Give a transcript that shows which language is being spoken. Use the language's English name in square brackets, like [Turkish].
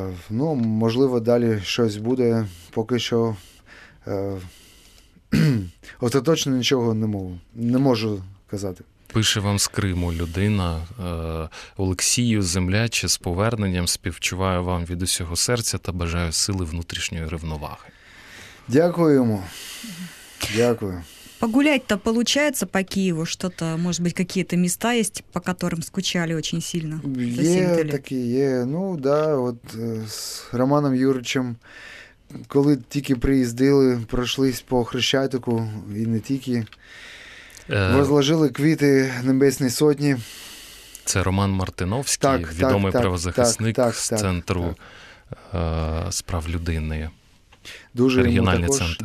[Ukrainian] Ну, можливо, далі щось буде. Поки що остаточно нічого не можу казати. Пише вам з Криму людина, Олексію, земляче, з поверненням, співчуваю вам від усього серця та бажаю сили внутрішньої рівноваги. Дякуємо. Дякую. [Russian] Погулять-то получается по Киеву что-то, может быть, какие-то места есть, по которым скучали очень сильно? Есть такие, ну да, вот с Романом Юрьевичем, когда только приездили, прошлись по Хрещатику и не только, возложили квіти Небесной Сотни. [Ukrainian] Це Роман Мартиновський, так, відомий правозахисник з Центру справ людини. Дуже регіональний йому також центр.